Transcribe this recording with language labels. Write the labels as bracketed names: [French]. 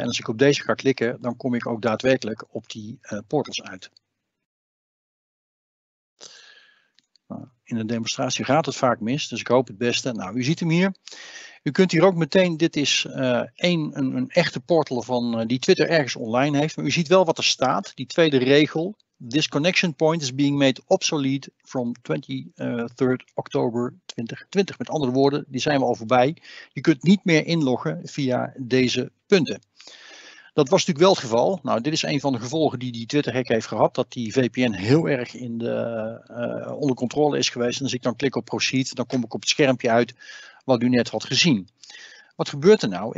[Dutch] En als ik op deze ga klikken, dan kom ik ook daadwerkelijk op die portals uit. Nou, in de demonstratie gaat het vaak mis, dus ik hoop het beste. Nou, u ziet hem hier. U kunt hier ook meteen, dit is een echte portal van die Twitter ergens online heeft. Maar u ziet wel wat er staat, die tweede regel. [English] This connection point is being made obsolete from 23rd October 2020. [Dutch] Met andere woorden, die zijn we al voorbij. Je kunt niet meer inloggen via deze punten. Dat was natuurlijk wel het geval. Nou, dit is een van de gevolgen die Twitter hack heeft gehad. Dat die VPN heel erg in de, onder controle is geweest. En als ik dan klik op proceed, dan kom ik op het schermpje uit wat u net had gezien. Wat gebeurt er nou?